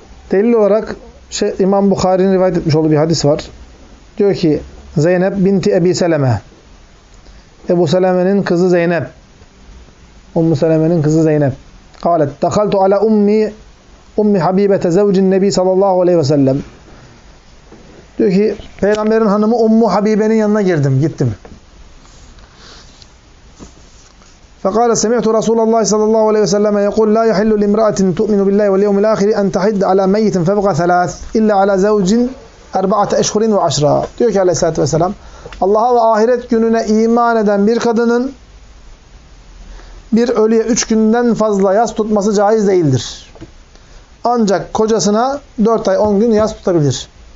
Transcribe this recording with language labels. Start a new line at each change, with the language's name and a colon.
Turkish: Delil olarak İmam Bukhari'nin rivayet etmiş olduğu bir hadis var. Diyor ki Zeynep binti Ebi Seleme. Ebu Seleme'nin kızı Zeynep. Ummu Seleme'nin kızı Zeynep.
Arabic: قالت دخلت على أمي حبيبة زوج النبي صلى الله عليه وسلم.
Turkish: Diyor ki Peygamber'in hanımı Ummu Habibe'nin yanına girdim, gittim.
Arabic: فقال سمعت رسول الله صلى الله عليه وسلم يقول لا يحل لامرأة تؤمن بالله واليوم الآخر أن تحد على ميت فبقى ثلاث إلا على زوج أربعة أشهر وعشرة.
Turkish: Diyor ki Aleyhisselatü Vesselam, Allah'a ve ahiret gününe iman eden bir kadının bir ölüye 3 günden fazla yas tutması caiz değildir. Ancak kocasına 4 ay 10 gün yas tutabilir.